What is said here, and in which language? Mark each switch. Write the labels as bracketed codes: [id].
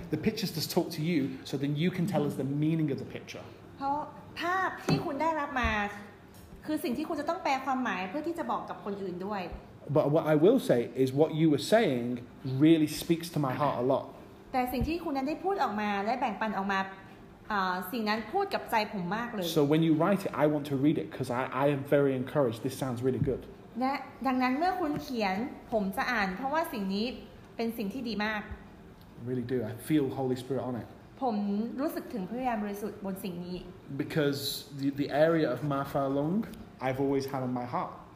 [en] The pictures just talk to you so then you can tell us the meaning of the picture [th] เพราะภาพที่คุณได้รับมาคือสิ่งที่คุณจะต้องแปลความหมายเพื่อที่จะบอกกับคนอื่นด้วย [en] But what I will say is what you were saying really speaks to my heart a lot [th] แต่สิ่งที่คุณนั้นได้พูดออกมาและแบ่งปันออกมาสิ่งนั้นพูดกับใจผมมากเลย [en] So when you write it I want to read it because I am very encouraged this sounds really good [th] และดังนั้นเมื่อคุณเขียนผมจะอ่านเพราะว่าสิ่งนี้เป็นสิ่งที่ดีมาก [en] I really do. I feel Holy Spirit on it. [th] ผมรู้สึกถึงพระวิญญาณบริสุทธิ์บนสิ่งนี้ [en] Because the area of Ma Fa Long, I've always had on my heart.